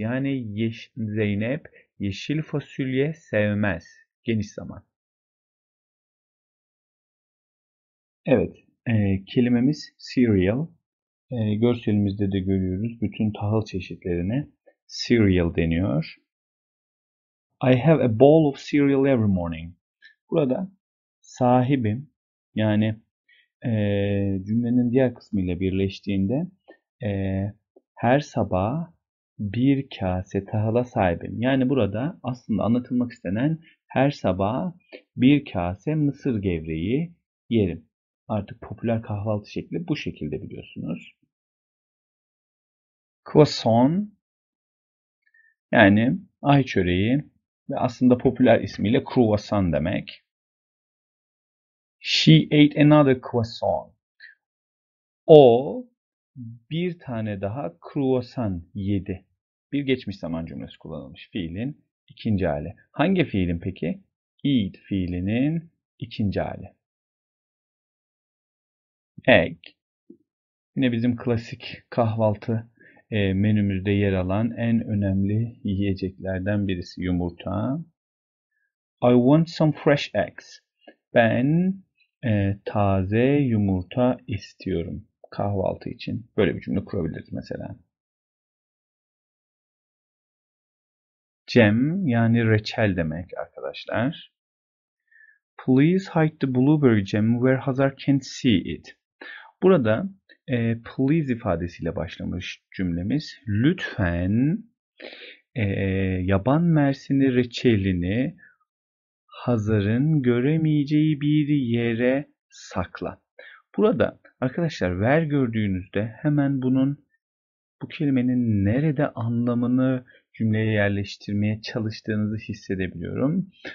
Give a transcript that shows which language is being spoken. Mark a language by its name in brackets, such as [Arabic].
[Turkish] Yani Zeynep yeşil fasulye sevmez. Geniş zaman. Evet, kelimemiz cereal. Görselimizde de görüyoruz bütün tahıl çeşitlerine cereal deniyor. [English] I have a bowl of cereal every morning. [Turkish] Burada sahibim, yani cümlenin diğer kısmıyla birleştiğinde her sabah bir kase tahıla sahibim. Yani burada aslında anlatılmak istenen her sabah bir kase mısır gevreği yerim. Artık popüler kahvaltı şekli bu şekilde biliyorsunuz. Croissant yani ay çöreği ve aslında popüler ismiyle croissant demek. [English] She ate another croissant. [Turkish] O bir tane daha croissant yedi. Bir geçmiş zaman cümlesi kullanılmış fiilin ikinci hali. Hangi fiilin peki? Eat fiilinin ikinci hali. Egg, yine bizim klasik kahvaltı menümüzde yer alan en önemli yiyeceklerden birisi yumurta. [English] I want some fresh eggs. [Turkish] Ben taze yumurta istiyorum kahvaltı için. Böyle bir cümle kurabiliriz mesela. Jam yani reçel demek arkadaşlar. [English] Please hide the blueberry jam where Hazar can't see it. [Turkish] Burada please ifadesiyle başlamış cümlemiz. Lütfen yaban mersini reçelini Hazar'ın göremeyeceği bir yere sakla. Burada arkadaşlar ver gördüğünüzde hemen bunun bu kelimenin nerede anlamını cümleye yerleştirmeye çalıştığınızı hissedebiliyorum.